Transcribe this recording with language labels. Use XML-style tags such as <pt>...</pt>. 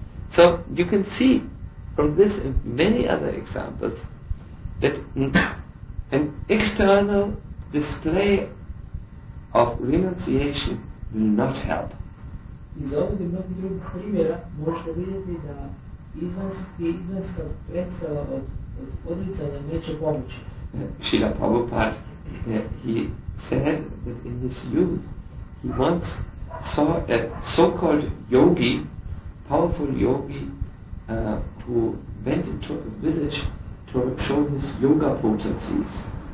<en>So you can see from this and many other examples that an external display of renunciation will not help.</en> <hr>Iz ovdje mnogih drugih primjera možete vidjeti da izvanjska predstava od odricanja neće pomoći.</hr> <en>Srila Prabhupada, he said that in his youth he once saw a so-called yogi, powerful yogi, who went into a village to show his yoga potencies.</en>